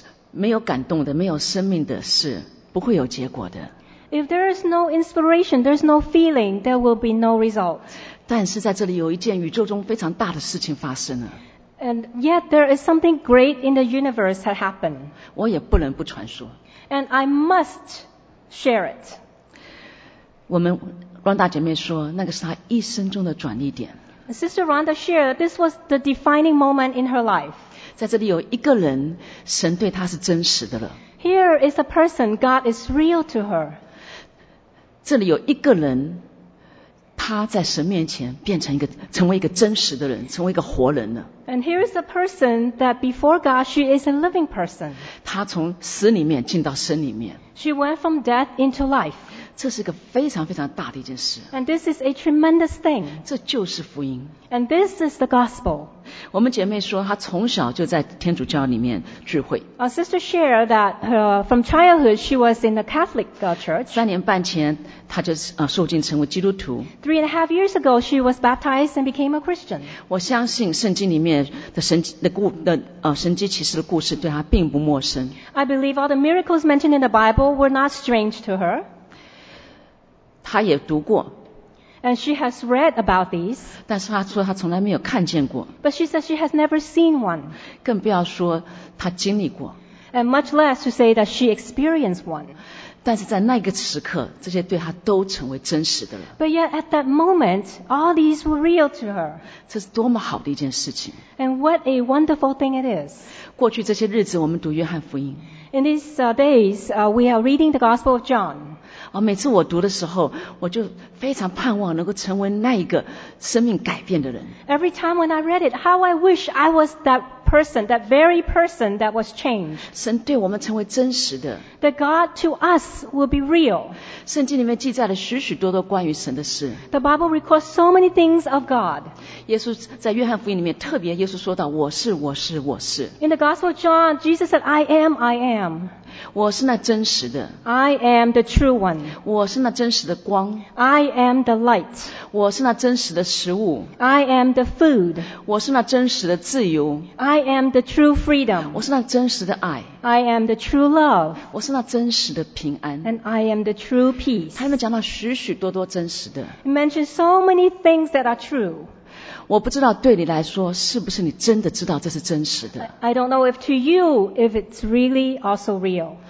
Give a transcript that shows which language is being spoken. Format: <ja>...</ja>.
<zh>没有感动的，没有生命的事，不会有结果的。</zh> <en>If there is no inspiration, there is no feeling, there will be no result.</en> <zh>但是在这里有一件宇宙中非常大的事情发生了。</zh> <en>And yet there is something great in the universe that happened.</en> <zh>我也不能不传说。</zh> <en>And I must share it.</en> <zh>我们 Rhonda 姐妹说，那个是她一生中的转捩点。</zh> <en>Sister Rhonda shared that this was the defining moment in her life.</en> <zh>在这里有一个人，神对她是真实的了。</zh> <en>Here is a person, God is real to her.</en> <zh>这里有一个人，他在神面前变成一个，成为一个真实的人，成为一个活人了。</zh> <en>And here is a person that before God, she is a living person.</en> <zh>他从死里面进到生里面。</zh> <en>She went from death into life.</en> <zh>这是一个非常非常大的一件事。</zh> <en>And this is a tremendous thing.</en> <zh>这就是福音。</zh> <en>And this is the gospel.</en> <zh>我们姐妹说，她从小就在天主教里面聚会。</zh> <en>Our sister shared that from childhood she was in the Catholic church.</en> <zh>三年半前，她就受浸成为基督徒。</zh> <en>Three and a half years ago, she was baptized and became a Christian.</en> <zh>我相信圣经里面的神迹奇事的故事对她并不陌生。</zh> <en>I believe all the miracles mentioned in the Bible were not strange to her.</en> <zh>她也读过。</zh> <en>And she has read about these.</en> <zh>但是她说她从来没有看见过。</zh> <en>But she says she has never seen one.</en> <zh>更不要说她经历过。</zh> <en>And much less to say that she experienced one.</en> <zh>但是在那个时刻，这些对她都成为真实的了。</zh> <en>But yet at that moment, all these were real to her.</en> <zh>这是多么好的一件事情。</zh> <en>And what a wonderful thing it is.</en> <zh>过去这些日子，我们读约翰福音。</zh> <en>In these days, we are reading the Gospel of John.</en> <zh>每次我读的时候，我就非常盼望能够成为那一个生命改变的人。</zh> <en>Every time when I read it, how I wish I was that person, that very person that was changed.</en> <zh>神对我们成为真实的。</zh> <en>That God to us will be real.</en> <zh>圣经里面记载了许许多多关于神的事。</zh> <en>The Bible records so many things of God.</en> <zh>耶稣在约翰福音里面特别耶稣说到我是我是我是。</zh> <en>In the Gospel of John, Jesus said, I am, I am.</en> <zh>我是那真实的。</zh> <en>I am the true one.</en> <zh>我是那真实的光。</zh> <en>I am the light.</en> <zh>我是那真实的食物。</zh> <en>I am the food.</en> <zh>我是那真实的自由。</zh> <en>I am the true freedom.</en> <zh>我是那真实的爱。</zh> <en>I am the true love.</en> <zh>我是那真实的平安。</zh> <en>And I am the true peace.</en> <zh>他们讲到许许多多真实的。</zh> <en>He mentioned so many things that are true.</en> <zh>我不知道对你来说是不是你真的知道这是真实的。</zh> <en>I don't know if to you if it's really also real.</en>